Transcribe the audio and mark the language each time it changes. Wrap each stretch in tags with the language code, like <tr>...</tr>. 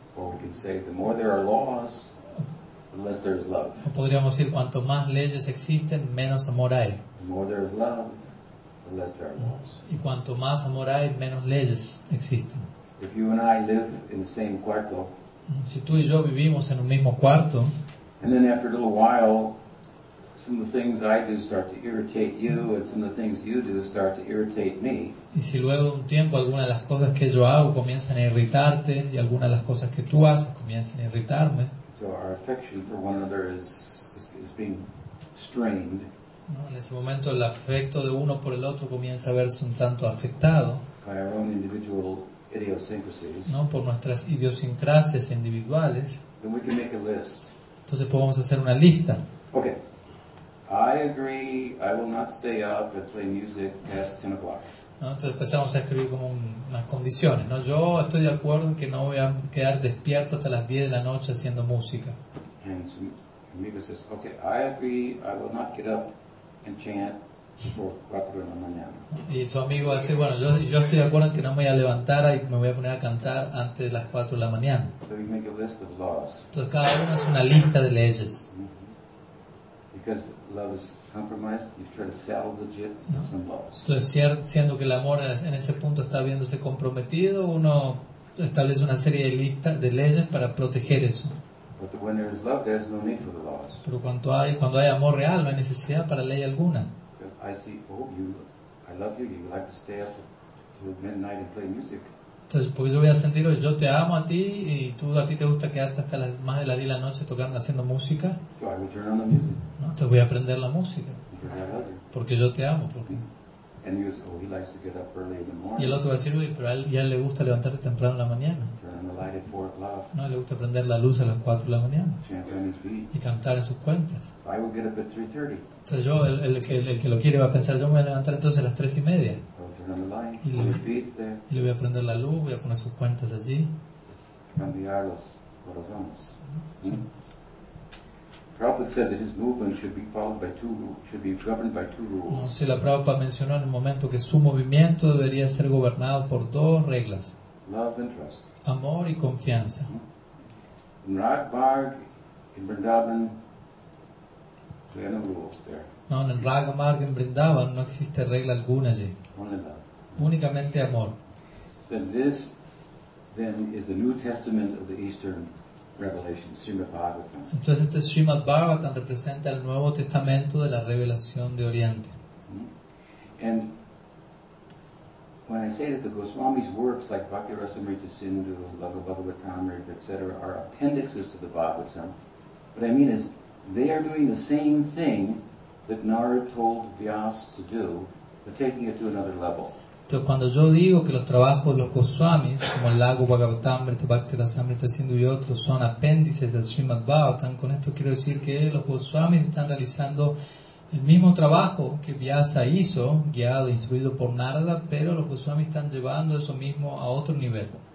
<en>Or we can say, the more there are laws, unless there is love.</en> <es>O podríamos decir, cuanto más leyes existen, menos amor hay.</es> <en>The more there is love, the less there are laws.</en> <es>Y cuanto más amor hay, menos leyes existen.</es> <en>If you and I live in the same cuarto,</en> <es>si tú y yo vivimos en un mismo cuarto,</es> <en>and then after a little while, some of the things I do start to irritate you, and some of the things you do start to irritate me.</en> <es>Y si luego de un tiempo algunas de las cosas que yo hago comienzan a irritarte, y algunas de las cosas que tú haces comienzan a irritarme.</es> <en>So our affection for one another is being strained.</en> <es>No, en ese momento el afecto de uno por el otro comienza a verse un tanto afectado.</es> <en>By our own individual idiosyncrasies.</en> <es>No, por nuestras idiosincrasias individuales.</es> <en>Then we can make a list.</en> <es>Entonces podemos hacer una lista.</es> <en>Okay. I agree. I will not stay up and play music past 10 o'clock.</en> <es>¿No? Entonces empezamos a escribir como unas condiciones, ¿no? Yo estoy de acuerdo en que no voy a quedar despierto hasta las 10 de la noche haciendo música.</es> <en>And amigo says, okay, I agree, I will not get up and chant before 4</en> <es>de la mañana. Y su amigo dice, bueno, yo estoy de acuerdo en que no me voy a levantar y me voy a poner a cantar antes de las 4 de la mañana.</es> <en>So you make a list of laws.</en> <es>Entonces cada uno es una lista de leyes.</es> <en>Because love is compromised, you try to settle the jit with some laws.</en> <es>Entonces, siendo que el amor en ese punto está viéndose comprometido, uno establece una serie de listas de leyes para proteger eso.</es> <en>But when there is love, there is no need for the laws.</en> <es>Pero cuando hay amor real, no hay necesidad para ley alguna.</es> <en>Because I see, oh, you, I love you. You like to stay up till midnight and play music.</en> <es>Entonces, pues yo voy a sentir, yo te amo a ti y tú a ti te gusta quedarte hasta las más de las 10 de la noche tocando, haciendo música.</es> <en>So I will turn on the music.</en> <es>¿No? Entonces voy a aprender la música. Porque yo te amo. Porque...</es> <en>And he goes, oh, he likes to get up early in the morning.</en> <es>Y el otro va a decir, uy, pero a él le gusta levantarse temprano en la mañana.</es> <en>Turn on the light at 4 o'clock.</en> <es>No, le gusta prender la luz a las 4 de la mañana. Y cantar en sus cuentas.</es> <en>So I will get up at 3:30.</en> <es>Entonces yo, el que lo quiere va a pensar, yo me voy a levantar entonces a las 3:30. Y le voy a prender la luz, voy a poner sus cuentas allí. Cambiar los corazones.</es> <en>Prabhupada said that his movement should be followed by two rules, should be governed by two rules.</en> <es>No, si la Prabhupada mencionó en un momento que su movimiento debería ser gobernado por dos reglas.</es> <en>Love and trust.</en> <es>Amor y confianza.</es> <en>In Ragmarg, in Vrindavan, there are no rules there.</en> <es>No, en Ragmarg, en Vrindavan, no existe regla alguna allí.</es> <en>Only love.</en> <es>Únicamente amor.</es> <en>So this, then, is the New Testament of the Eastern Revelation, Srimad Bhagavatam.</en> <es>Entonces este Srimad Bhagavatam representa el Nuevo Testamento de la Revelación de Oriente.</es> <en>And when I say that the Goswami's works like Bhakti-rasamrita-sindhu, Bhagavatamrita, etc., are appendixes to the Bhagavatam, what I mean is they are doing the same thing that Narada told Vyas to do, but taking it to another level.</en> <es>Entonces, cuando yo digo que los trabajos de los Goswamis, como el lago Bhagavatamrita, Bhakti-rasamrita, Sindhu y otros, son apéndices del Srimad Bhagavatam, con esto quiero decir que los Goswamis están realizando el mismo trabajo que Vyasa hizo, guiado e instruido por Narada, pero los Goswamis están llevando eso mismo a otro nivel.</es>